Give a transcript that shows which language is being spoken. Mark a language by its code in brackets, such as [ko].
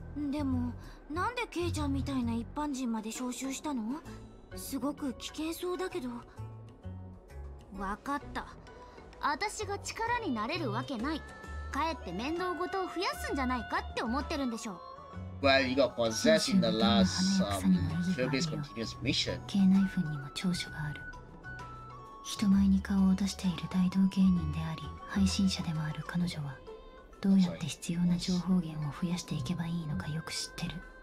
[ja] でも、なんでケイちゃんみたいな一般人まで招集したの？すごく危険そうだけど。わかった。私が力になれるわけない。かえって面倒事を増やすんじゃないかって思ってるんでしょう。 [en] Well, you got possessed in the last, previous continuous mission. [ja] 系ナイフにも長所がある。人前に顔を出している大道芸人であり、配信者でもある彼女は、どうやって必要な情報源を増やしていけばいいのかよく知ってる。